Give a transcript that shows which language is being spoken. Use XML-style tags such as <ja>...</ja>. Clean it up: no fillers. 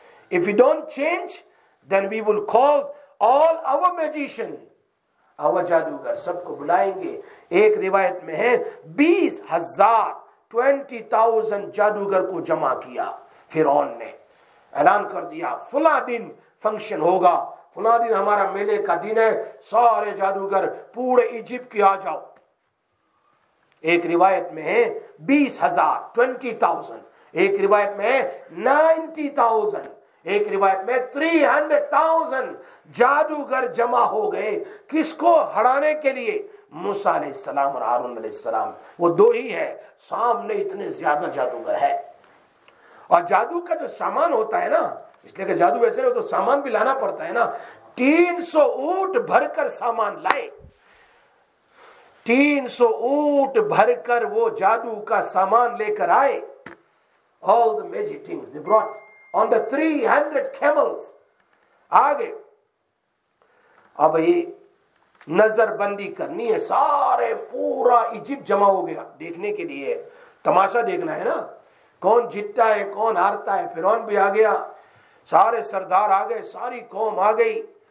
<en>If we don't change, then we will call all our magician, our jadugar,</en> <ur>سب کو بلائیں گے. ایک روایت میں ہے 20,000 جادوگر کو جمع کیا فرعون نے, اعلان کر دیا فلاں دن فنکشن ہوگا, فلاں دن ہمارا میلے کا دن ہے, سارے جادوگر پورے ایجپٹ کی آ جاؤ. ایک روایت میں ہے 20,000, 20,000, ایک روایت میں 90,000, ایک روایت میں 300,000 جادوگر جمع ہو گئے. کس کو ہرانے کے لیے؟ موسیٰ علیہ السلام اور ہارون علیہ السلام, وہ دو ہی ہے, سامنے اتنے زیادہ جادوگر ہے. اور جادو کا جو سامان ہوتا ہے نا, اس لیے کہ جادو ویسے نہیں, تو سامان بھی لانا پڑتا ہے نا, 300 اونٹ بھر کر سامان لائے, 300 اونٹ بھر کر وہ جادو کا سامان لے کر آئے.</ur> <en>All the magic things they brought on the 300 camels.</en> <ur>آگے اب یہ نظر بندی کرنی ہے, سارے پورا ایجپٹ جمع ہو گیا دیکھنے کے لیے, تماشا دیکھنا ہے نا, کون جیتتا ہے کون ہارتا ہے. فرعون بھی آ گیا, سارے سردار آ گئے, ساری قوم آ گئی.</ur>